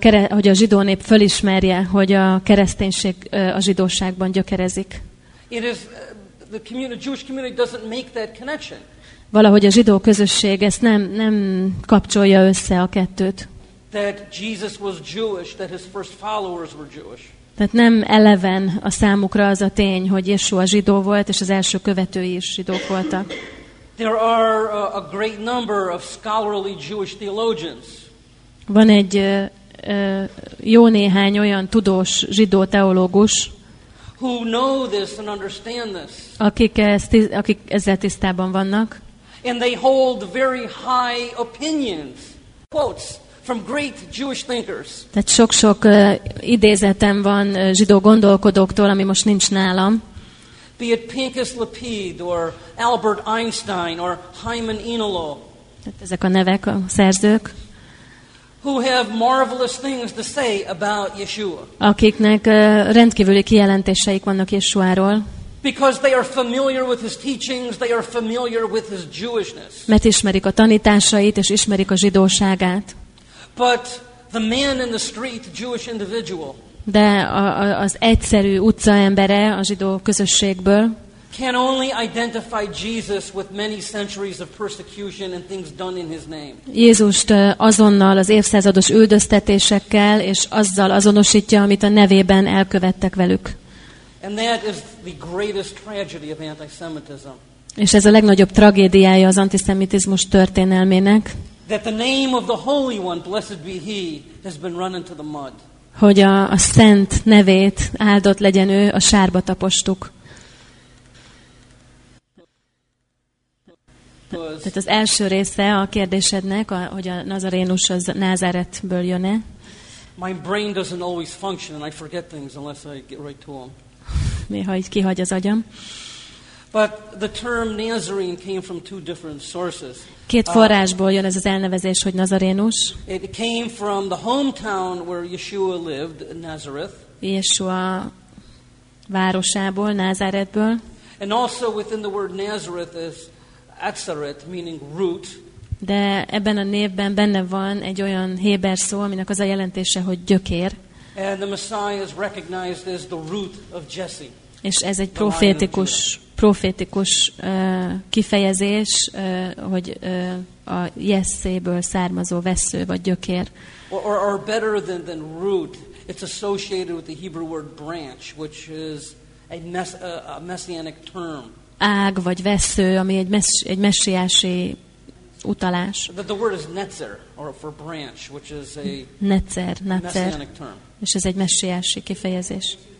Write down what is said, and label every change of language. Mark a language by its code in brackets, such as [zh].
[hu] Hogy a zsidó nép fölismerje, hogy a kereszténység a zsidóságban gyökerezik. [en] It is the community, Jewish community doesn't make that connection. [hu] Valahogy a zsidó közösség ezt nem kapcsolja össze a kettőt. [en] That Jesus was Jewish, that his first followers were Jewish. [hu] Tehát nem eleven a számukra az a tény, hogy Jesu a zsidó volt, és az első követői is zsidók voltak. [en] There are a great number of scholarly Jewish theologians. [hu] Van egy jó néhány olyan tudós zsidó teológus, [en] who know this and understand this. [hu] Akik ezzel tisztában vannak. [en] And they hold very high opinions, quotes from great Jewish thinkers. [hu] Tehát sok-sok idézetem van zsidó gondolkodóktól, ami most nincs nálam. [en] Be it Pincus Lapid, or Albert Einstein, or Hyman Enolo. [hu] Tehát ezek a nevek, a szerzők. [en] Who have marvelous things to say about Yeshua. [hu] Akiknek rendkívüli kijelentéseik vannak Yeshua-ról. [en] Because they are familiar with his teachings, they are familiar with his Jewishness. [hu] Mert ismerik a tanításait és ismerik a zsidóságát. [en] But the man in the street, Jewish individual. [hu] De az egyszerű utcaembere a zsidó közösségből. [en] Can only identify Jesus with many centuries of persecution and things done in his name. [hu] Jézust azonnal az évszázados üldöztetésekkel és azzal azonosítja, amit a nevében elkövettek velük. [en] And that is the greatest tragedy of antisemitism. [hu] És ez a legnagyobb tragédiája az antiszemitizmus történelmének. [en] That the name of the Holy One, blessed be he, has been run into the mud. [hu] Hogy a szent nevét, áldott legyen ő, a sárba tapostuk. Tehát az első része a kérdésednek, hogy a Nazarénus az Názáretből jön-e. [en] My brain doesn't always function and I forget things unless I get right to them. [hu] Néha így kihagy az agyam. [en] But the term Nazarene came from two different sources. [hu] Két forrásból jön ez az elnevezés, hogy Nazarénus. [en] It came from the hometown where Yeshua lived, Nazareth. [hu] Yeshua városából, Názáretből. [en] And also within the word Nazareth is Atzeret, meaning root. [hu] De ebben a névben benne van egy olyan héber szó, aminek az a jelentése, hogy gyökér. [en] And the Messiah is recognized as the root of Jesse. [hu] És ez egy profétikus kifejezés, hogy a Jesse-ből származó vessző vagy gyökér. [en] Or better than root, it's associated with the Hebrew word branch, which is a messianic term. [hu] Ág vagy vessző, ami egy messiási utalás. [en] The word is netzer, or for branch, which is a netzer. Messianic term. [hu] És ez egy messiási kifejezés.